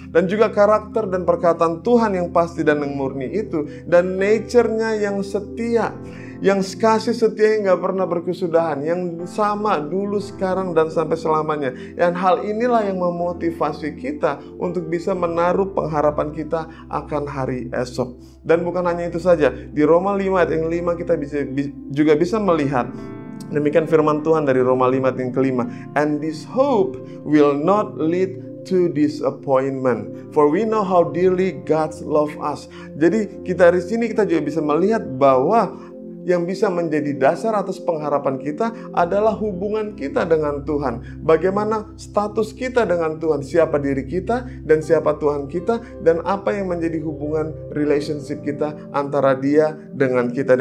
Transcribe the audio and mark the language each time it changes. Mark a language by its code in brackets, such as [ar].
[id] Dan juga karakter dan perkataan Tuhan yang pasti dan yang murni itu, dan nature-nya yang setia, yang kasih setia yang gak pernah berkesudahan, yang sama dulu, sekarang, dan sampai selamanya. Dan hal inilah yang memotivasi kita untuk bisa menaruh pengharapan kita akan hari esok. Dan bukan hanya itu saja, di Roma 5 ayat yang 5 kita juga bisa melihat demikian firman Tuhan dari Roma 5 ayat yang 5. [en] And this hope will not lead to disappointment, for we know how dearly God loves us. [id] Jadi kita dari sini kita juga bisa melihat bahwa yang bisa menjadi dasar atas pengharapan kita adalah hubungan kita dengan Tuhan. Bagaimana status kita dengan Tuhan, siapa diri kita dan siapa Tuhan kita, dan apa yang menjadi hubungan relationship kita antara Dia dengan kita.